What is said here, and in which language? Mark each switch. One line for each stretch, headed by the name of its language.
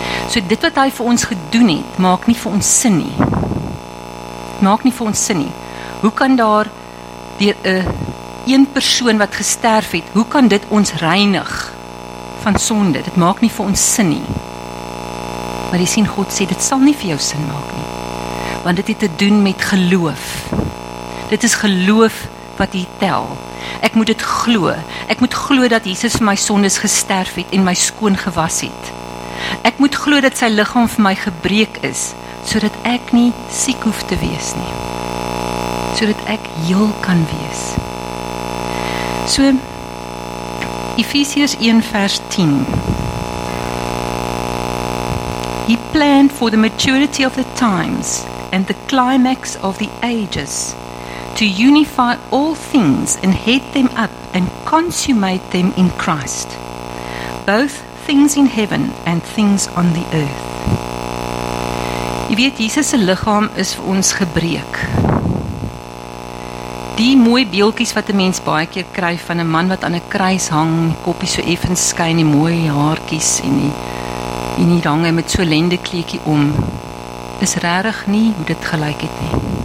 Afrikaans: So dit wat hy vir ons gedoen het, maak nie vir ons sin nie. Maak nie vir ons sin nie. Hoe kan daar deur 'n persoon wat gesterf het, hoe kan dit ons reinig van sonde? Dit maak nie vir ons sin nie. Maar jy sien, God sê, dit sal nie vir jou sin maak nie. Want dit het te doen met geloof. Dit is geloof wat hy tel. Ek moet dit glo. Ek moet glo dat Jesus vir my sondes gesterf het en my skoon gewas het. Ek moet glo dat sy liggaam vir my gebreek is, sodat ek nie siek hoef te wees nie. Sodat ek heel kan wees. So, Efesiërs 1 vers 10.
English: He planned for the maturity of the times and the climax of the ages, to unify all things and head them up and consummate them in Christ, both things in heaven and things on the earth.
Afrikaans: Jy weet, Jesus se liggaam is vir ons gebreek. Die mooie beeldjies wat 'n mens baie keer kry van 'n man wat aan 'n kruis hang, koppie so effens skyn, die mooi haartjies en die range met so lendekleedjie om, is regtig nie hoe dit gelyk het nie.